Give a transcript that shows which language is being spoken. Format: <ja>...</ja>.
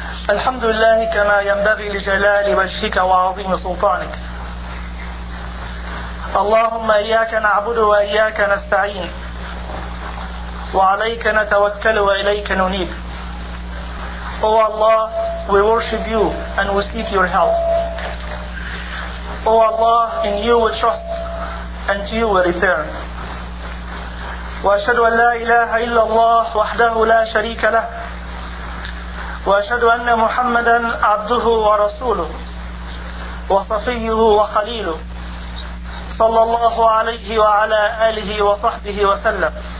<ar>الحمد لله كما ينبغي لجلال وجهك وعظيم سلطانك. اللهم إياك نعبد وإياك نستعين وعليك نتوكل وإليك ننيب.</ar> <en>Oh Allah, we worship you and we seek your help. Oh Allah, in you we trust and to you we return.</en> <ar>وأشهد أن لا إله إلا الله وحده لا شريك له وأشهد أن محمدا عبده ورسوله وصفيه وخليله صلى الله عليه وعلى آله وصحبه وسلم.</ar>